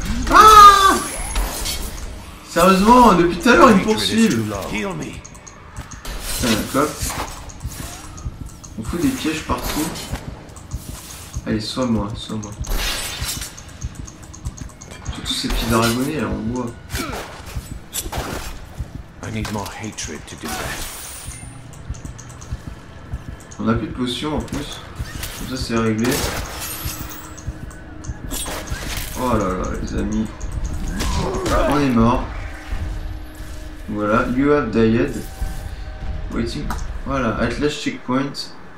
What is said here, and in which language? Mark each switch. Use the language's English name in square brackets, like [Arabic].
[French] Ah. Sérieusement, depuis tout à l'heure, ils me poursuivent. Putain, d'accord. On fout des pièges partout. Allez, sois moi, sois moi. Tous ces petits dragonnets, alors on voit. [English] I need more hatred to do that. [French] On a plus de potions en plus. Comme ça c'est réglé. Oh là là les amis. On est mort. [English] Voilà, you have died. Waiting. Voilà, at last checkpoint.